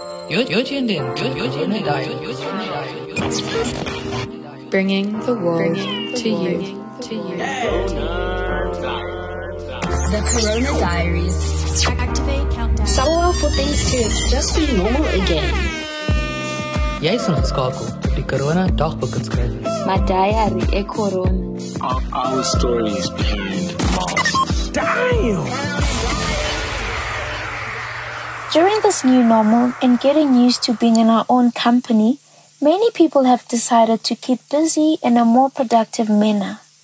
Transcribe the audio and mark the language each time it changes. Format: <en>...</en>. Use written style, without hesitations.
<en>You're tuned in. You're bringing the world to you. The Corona Diaries. Activate countdown. Sawa for things to just be normal again.</en> <af>Jy is ingeskakel op die Corona Dagboek geskryf.</af> <en>My diary e Corona. Our story is behind bars. Damn! During this new normal and getting used to being in our own company, many people have decided to keep busy in a more productive manner.</en>